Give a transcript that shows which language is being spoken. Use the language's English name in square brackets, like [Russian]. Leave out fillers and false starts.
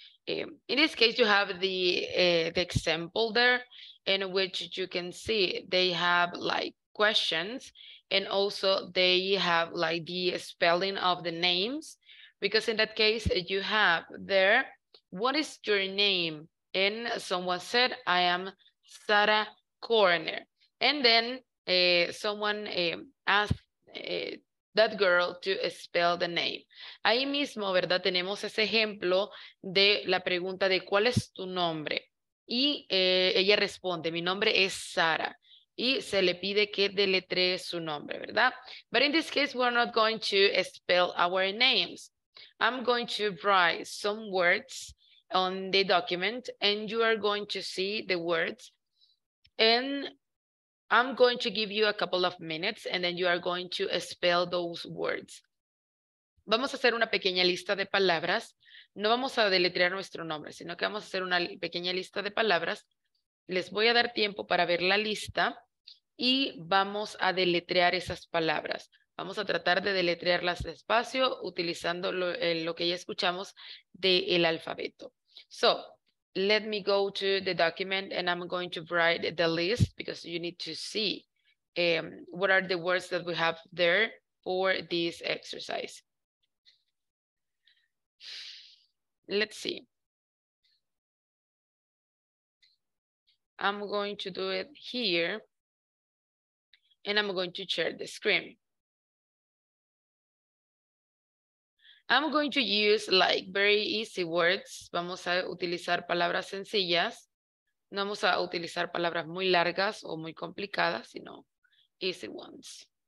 [English] In this case, you have the example there in which you can see they have like questions, and also they have like the spelling of the names, because in that case you have there, what is your name? And someone said, I am Sara Coroner. And then someone asked that girl to spell the name. [Spanish] Ahí mismo, ¿verdad? Tenemos ese ejemplo de la pregunta de ¿cuál es tu nombre? Y ella responde, mi nombre es Sara. Y se le pide que deletree su nombre, ¿verdad? [English] But in this case, we're not going to spell our names. I'm going to write some words on the document and you are going to see the words. And I'm going to give you a couple of minutes and then you are going to spell those words. [Spanish] Vamos a hacer una pequeña lista de palabras. No vamos a deletrear nuestro nombre, sino que vamos a hacer una pequeña lista de palabras. Les voy a dar tiempo para ver la lista y vamos a deletrear esas palabras. Vamos a tratar de deletrearlas despacio utilizando lo que ya escuchamos del alfabeto. [English] So, let me go to the document and I'm going to write the list because you need to see what are the words that we have there for this exercise. Let's see. I'm going to do it here and I'm going to share the screen. I'm going to use like very easy words. [Spanish] Vamos a utilizar palabras sencillas. No vamos a utilizar palabras muy largas o muy complicadas, sino [English] easy ones.